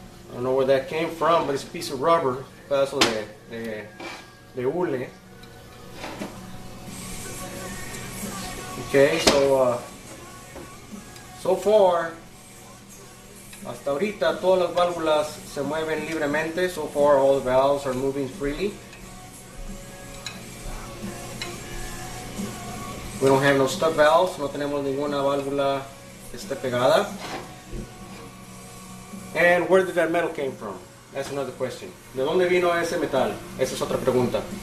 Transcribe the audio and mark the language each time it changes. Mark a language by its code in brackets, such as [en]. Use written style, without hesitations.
[en] I don't know where that came from, but it's a piece of rubber, [es] un pedazo de hule. [en] Okay, so far [es] hasta ahorita todas las válvulas se mueven libremente. [en] So far all the valves are moving freely. We don't have no stuck valves. [es] No tenemos ninguna válvula que esté pegada. [en] And where did that metal came from? That's another question. [es] ¿De dónde vino ese metal? Esa es otra pregunta.